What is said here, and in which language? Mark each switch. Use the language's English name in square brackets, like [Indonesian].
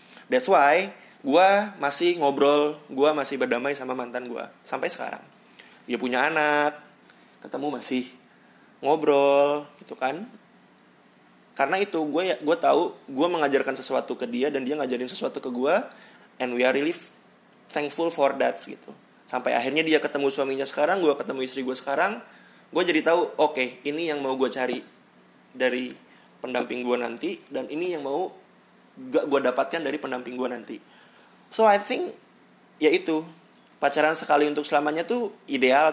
[English] That's why [Indonesian] gue masih ngobrol, gue masih berdamai sama mantan gue sampai sekarang. Dia punya anak, ketemu masih ngobrol gitu kan. Karena itu gue tahu gue mengajarkan sesuatu ke dia dan dia ngajarin sesuatu ke gue. [English] And we are really thankful for that [Indonesian] gitu. Sampai akhirnya dia ketemu suaminya sekarang, gue ketemu istri gue sekarang. Gue jadi tahu, oke, ini yang mau gue cari dari pendamping gue nanti. Dan ini yang mau gak gue dapatkan dari pendamping gue nanti. [English] So I think, [Indonesian] ya itu, pacaran sekali untuk selamanya tuh ideal.